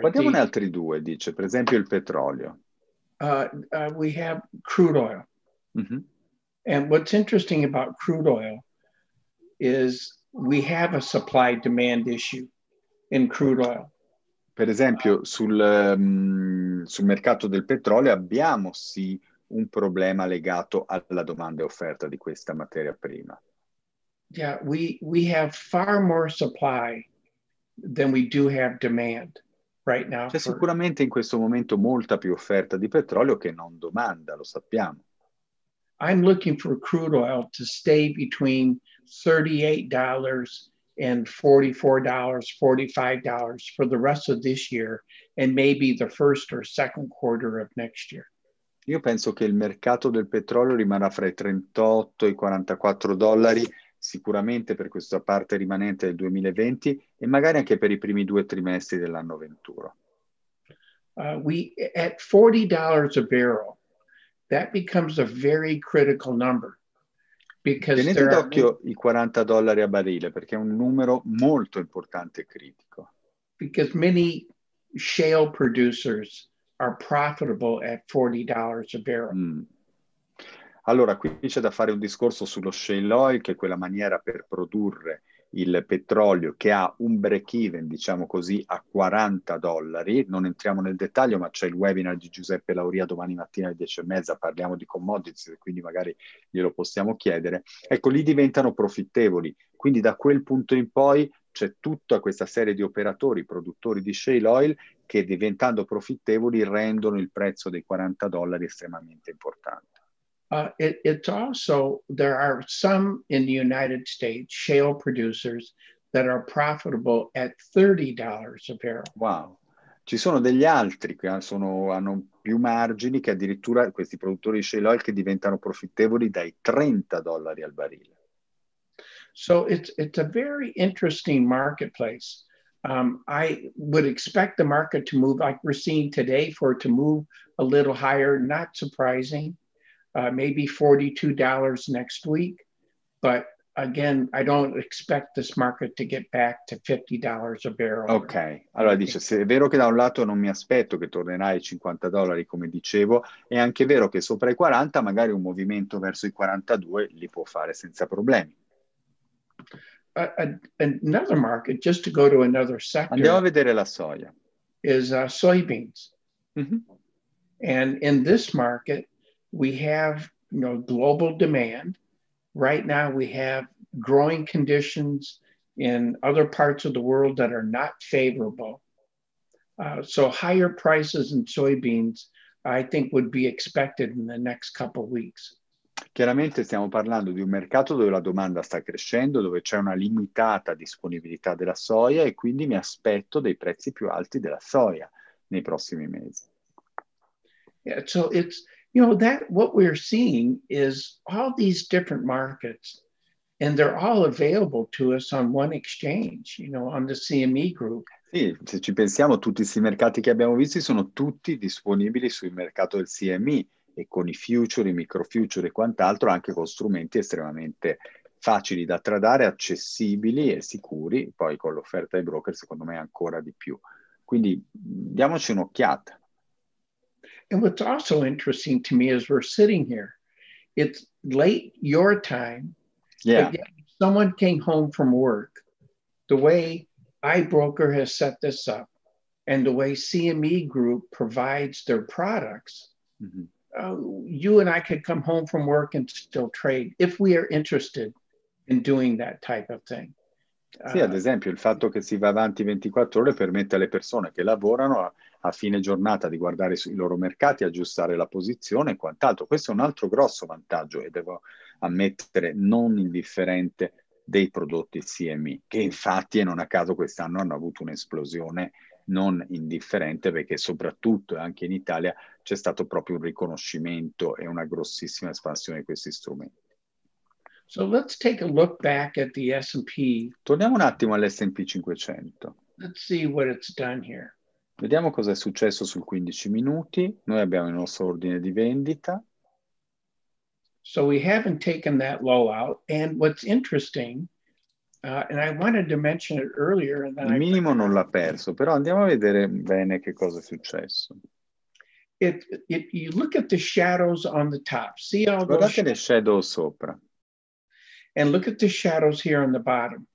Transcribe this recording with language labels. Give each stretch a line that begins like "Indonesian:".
Italian: Guardiamone altri due, dice, per esempio il petrolio.
English: We have crude oil. Mm-hmm. And what's interesting about crude oil is we have a supply-demand issue in crude oil.
Italian: Per esempio, sul mercato del petrolio abbiamo sì un problema legato alla domanda e offerta di questa materia prima.
English: Yeah, we have far more supply than we do have demand right now.
Italian: C'è sicuramente in questo momento molta più offerta di petrolio che non domanda, lo sappiamo.
English: I'm looking for crude oil to stay between $38 and $44, $45 for the rest of this year and maybe the first or second quarter of next year.
Italian: Io penso che il mercato del petrolio rimarrà fra i 38 e i 44 dollari sicuramente per questa parte rimanente del 2020 e magari anche per i primi due trimestri dell'anno 21.
English: At $40 a barrel, that becomes a very critical number.
Italian: Tenete d'occhio i $40 a barile, perché è un numero molto importante e critico.
English: Because many shale producers are profitable at $40 a barrel. Mm.
Italian: Allora, qui c'è da fare un discorso sullo shale oil, che è quella maniera per produrre il petrolio che ha un break-even, diciamo così, a $40. Non entriamo nel dettaglio, ma c'è il webinar di Giuseppe Lauria domani mattina alle 10:30, parliamo di commodities, quindi magari glielo possiamo chiedere. Ecco, lì diventano profittevoli. Quindi da quel punto in poi c'è tutta questa serie di operatori, produttori di shale oil, che diventando profittevoli rendono il prezzo dei $40 estremamente importante.
English: It's also, there are some in the United States shale producers that are profitable at $30 a barrel. Wow.
Italian: Ci sono degli altri che hanno più margini, che addirittura questi produttori di shale oil che diventano profittevoli dai $30 al barile.
English: So it's a very interesting marketplace. I would expect the market to move, like we're seeing today, for it to move a little higher, not surprising. Maybe $42 next week, but again, I don't expect this market to get back to $50 a barrel.
Italian: Ok, allora dice, se è vero che da un lato non mi aspetto che tornerà ai $50, come dicevo, è anche vero che sopra i 40 magari un movimento verso i 42 li può fare senza problemi.
English: Another market, just to go to another sector.
Italian: Andiamo a vedere la soia.
English: Is soybeans. Mm-hmm. And in this market, we have, you know, global demand. Right now we have growing conditions in other parts of the world that are not favorable. So higher prices in soybeans, I think, would be expected in the next couple of weeks.
Italian: Chiaramente stiamo parlando di un mercato dove la domanda sta crescendo, dove c'è una limitata disponibilità della soia e quindi mi aspetto dei prezzi più alti della soia nei prossimi mesi.
English: Yeah, so it's, you know, that what we're seeing is all these different markets, and they're all available to us on one exchange, you know, on the CME group.
Italian: Sì, se ci pensiamo, tutti questi mercati che abbiamo visti sono tutti disponibili sul mercato del CME e con i future, i micro future e quant'altro, anche con strumenti estremamente facili da tradare, accessibili e sicuri. Poi con l'offerta ai broker, secondo me, ancora di più. Quindi diamoci un'occhiata.
English: And what's also interesting to me is we're sitting here. It's late your time. Yeah. Someone came home from work. The way iBroker has set this up and the way CME Group provides their products, mm-hmm. You and I could come home from work and still trade if we are interested in doing that type of thing.
Italian: Sì, ad esempio, il fatto che si va avanti 24 ore permette alle persone che lavorano a fine giornata di guardare sui loro mercati, aggiustare la posizione e quant'altro. Questo è un altro grosso vantaggio, e devo ammettere, non indifferente, dei prodotti CME, che infatti, e non a caso, quest'anno hanno avuto un'esplosione non indifferente, perché soprattutto anche in Italia c'è stato proprio un riconoscimento e una grossissima espansione di questi strumenti.
English: So let's take a look back at the S&P.
Italian: Torniamo un attimo all'S&P 500.
English: Let's see what it's done here.
Italian: Vediamo cosa è successo sul 15 minuti. Noi abbiamo il nostro ordine di vendita.
English: So we haven't taken that low out, and what's interesting, and I wanted to mention it earlier. And then
Italian: il minimo non l'ha perso, però andiamo a vedere bene che cosa è successo.
English: If you look at the shadows on the top, see all
Italian: guardate shadows, le shadow sopra.
English: And look at the shadows here on the bottom.